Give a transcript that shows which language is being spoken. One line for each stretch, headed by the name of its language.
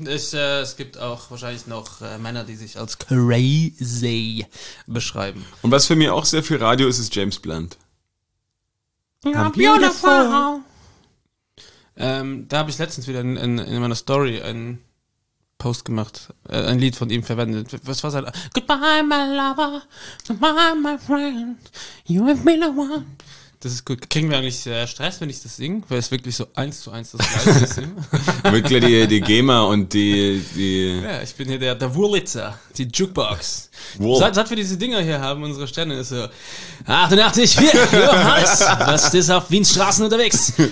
German: Es gibt auch wahrscheinlich noch Männer, die sich als crazy beschreiben. Und was für mich auch sehr viel Radio ist James Blunt. Ja, beautiful. Da habe ich letztens wieder in meiner Story ein Post gemacht, ein Lied von ihm verwendet. Was war sein?
English: Goodbye, my lover, goodbye, my friend, you have been the one.
German: Das ist gut. Kriegen wir eigentlich Stress, wenn ich das singe? Weil es wirklich so 1:1 das Gleiche ist. Wirklich die GEMA und die... Ja, ich bin hier der Wurlitzer, die Jukebox. Wow. Seit wir diese Dinger hier haben, unsere Sterne, ist so... 88, 4, Johannes, was ist auf Wiens Straßen unterwegs?